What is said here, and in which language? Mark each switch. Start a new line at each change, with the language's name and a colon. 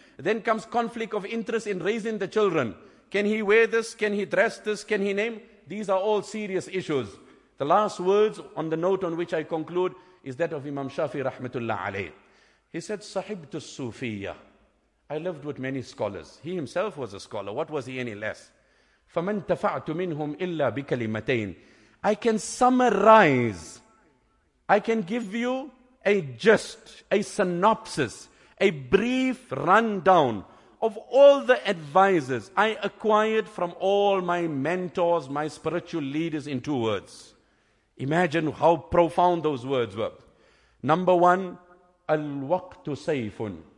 English: Then comes conflict of interest in raising the children. Can he wear this? Can he dress this? Can he name? These are all serious issues. The last words on the note on which I conclude is that of Imam Shafi rahmatullah alayh. He said, Sahibtu Sufiyya. I lived with many scholars. He himself was a scholar. What was he any less?
Arabic: فَمَنْ تَفَعْتُ مِنْهُمْ إِلَّا بِكَلِمَتَيْنِ.
English: I can summarize. I can give you a gist, a synopsis, a brief rundown of all the advices I acquired from all my mentors, my spiritual leaders in two words. Imagine how profound those words were. Number one,
Arabic: الْوَقْتُ سَيْفٌ.